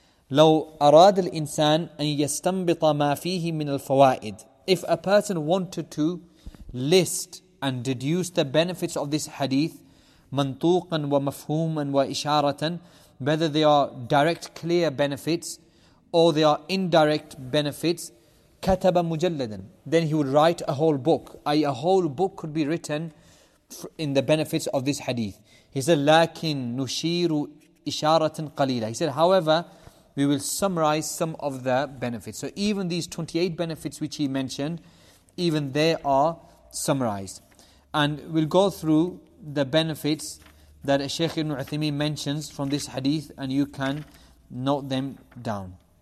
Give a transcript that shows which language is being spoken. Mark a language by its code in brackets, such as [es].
[ar] لَوْ أَرَادَ الْإِنسَانِ أَن يَسْتَنْبِطَ مَا فِيهِ مِنَ الْفَوَائِدِ, [en] if a person wanted to list and deduce the benefits of this hadith, [ar] مَنْطُوقًا وَمَفْهُومًا وَإِشَارَةً, [en] whether they are direct clear benefits or they are indirect benefits, [ar] كَتَبَ مُجَلَّدًا, [en] then he would write a whole book. A whole book could be written in the benefits of this hadith. He said, [ar] لَكِن نُشِيرُ إِشَارَةً قَلِيلًا. [en] He said, however, we will summarize some of the benefits. So even these 28 benefits which he mentioned, even they are summarized. And we'll go through the benefits that Shaykh ibn Uthaymeen mentions from this hadith, and you can note them down.